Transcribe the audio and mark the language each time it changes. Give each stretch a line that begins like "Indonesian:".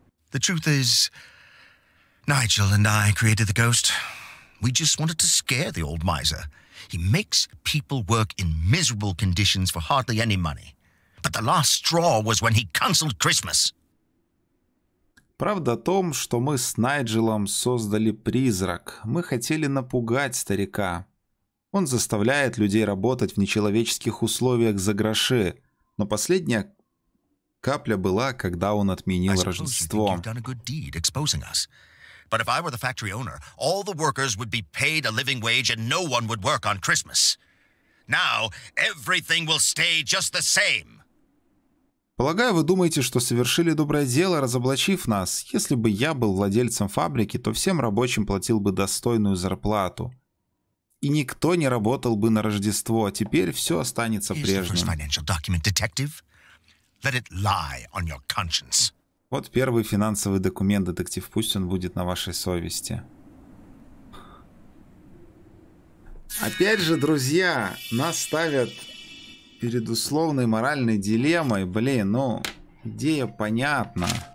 English: The truth is, Nigel and I created the ghost. We just wanted to scare the old miser. He makes people work in miserable conditions for hardly any money. But the last straw was when he cancelled Christmas.
Russian: Правда в том, что мы с Найджелом создали призрак. Мы хотели напугать старика. Он заставляет людей работать в нечеловеческих условиях за гроши. Но последняя капля была, когда он отменил Рождество.
English: But if I were the factory owner, all the workers would be paid a living wage and no one would work on Christmas. Now everything will stay just the same.
Russian: Полагаю, вы думаете, что совершили доброе дело, разоблачив нас. Если бы я был владельцем фабрики, то всем рабочим платил бы достойную зарплату. И никто не работал бы на Рождество. Теперь все останется прежним.
English: Here's the first financial document, detective. Let it lie on your conscience.
Russian: Вот первый финансовый документ, детектив. Пусть он будет на вашей совести. Опять же, друзья, нас ставят перед условной моральной дилеммой. Блин, ну, идея понятна.